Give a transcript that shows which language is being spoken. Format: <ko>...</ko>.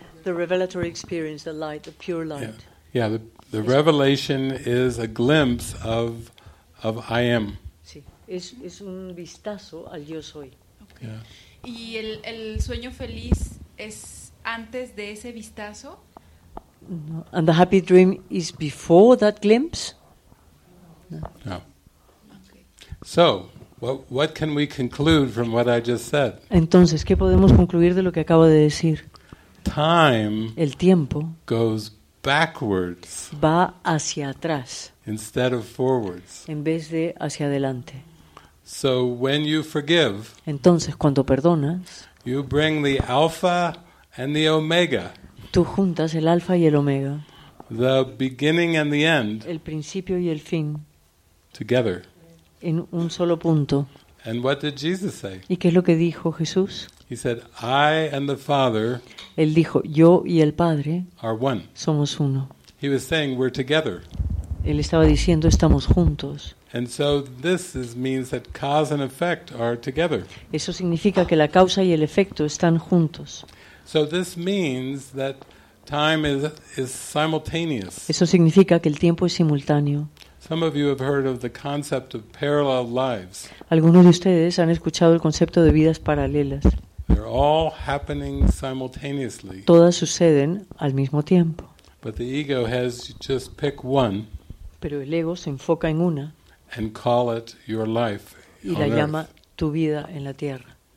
<en>The revelatory experience, the light, the pure light. Yeah, yeah, the revelation is a glimpse of I am.</en> <es>Es un vistazo al yo soy.</es> <en>Okay.</en> <es>Yeah. ¿Y el sueño feliz es antes de ese vistazo? No.</es> <en>And the happy dream is before that glimpse? No. Okay. So, what can we conclude from what I just said?</en> <es>Entonces, ¿qué podemos concluir de lo que acabo de decir?</es> <en>Time,</en> <es>el tiempo,</es> <en>goes backwards.</en> <es>Va hacia atrás.</es> <en>Instead of forwards.</en> <es>En vez de hacia adelante.</es> <en>So when you forgive,</en> <es>entonces cuando perdonas,</es> <en>you bring the alpha and the omega.</en> <es>Tú juntas el alfa y el omega.</es> <en>The beginning and the end.</en> <es>El principio y el fin.</es> <en>Together.</en> <es>En un solo punto.</es> <en>And what did Jesus say?</en> <es>¿Y qué es lo que dijo Jesús?</es> <en>He said, "I and the Father."</en> <es>Él dijo, "Yo y el Padre."</es> <en>Are one.</en> <es>Somos uno.</es> <en>He was saying we're together.</en> <es>Él estaba diciendo, estamos juntos.</es> <en>And so this is means that cause and effect are together.</en> <es>Eso significa que la causa y el efecto están juntos.</es> <en>So this means that Time is simultaneous.</en> <es>Eso significa que el tiempo es simultáneo.</es> <en>Some of you have heard of the concept of parallel lives.</en> <es>Algunos de ustedes han escuchado el concepto de vidas paralelas.</es> <en>They're all happening simultaneously.</en> <es>Todas suceden al mismo tiempo.</es> <en>But the ego has just pick one.</en> <es>Pero el ego se enfoca en una.</es> <en>And call it your life.</en> <es>Y la llama tu vida en la tierra.</es>